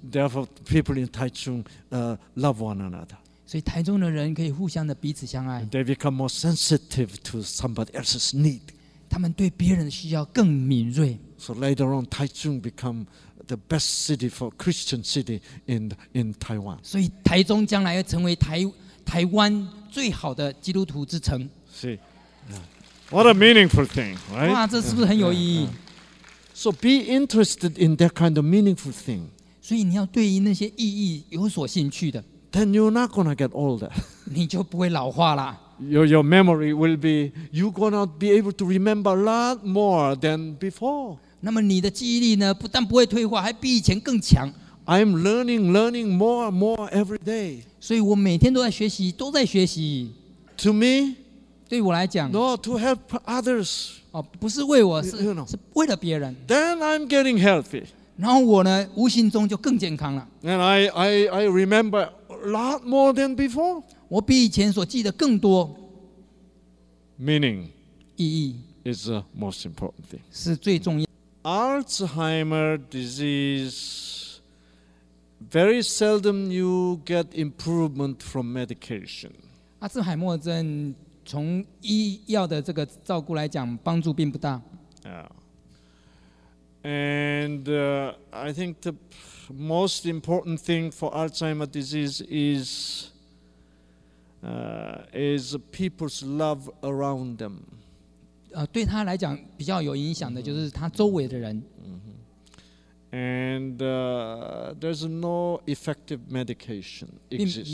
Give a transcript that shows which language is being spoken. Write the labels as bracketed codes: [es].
[en] Therefore, people in Taichung, love one another. [zh] 所以台中的人可以互相的彼此相爱。 [en] They become more sensitive to somebody else's need. [zh] 他们对别人的需要更敏锐。 [en] So later on, Taichung become the best city for Christian city in Taiwan. [zh] 所以台中将来要成为台湾最好的基督徒之城。 [en] See, what a meaningful thing, right? [zh] 哇，这是不是很有意义 [en] ？So be interested in that kind of meaningful thing. [zh] 所以你要对于那些意义有所兴趣的。 [en] Then you're not gonna get older. [zh] 你就不会老化了。 [en] Your memory will be you're gonna be able to remember a lot more than before. [zh] 那么你的记忆力呢？不但不会退化，还比以前更强。 [en] I'm learning more and more every day. [zh] 所以我每天都在学习，都在学习。 [en] To me, [zh] 对我来讲 [en] ，No, to help others. [zh] 哦，不是为我，是 [en] you know, [zh] 是为了别人。 [en] Then I'm getting healthy. [zh] 然后我呢，无形中就更健康了。 [en] And I remember. Lot more than before. [zh] 我比以前所记得更多。 [en] Meaning, [zh] 意义 [en] is the most important thing. [zh] 是最重要。 [en] Alzheimer disease, very seldom you get improvement from medication. [zh] 阿兹海默症从医药的这个照顾来讲，帮助并不大。 [en] And I think the most important thing for Alzheimer's disease is people's love around them. [zh] 对他来讲比较有影响的就是他周围的人。 [en] And there's no effective medication exists.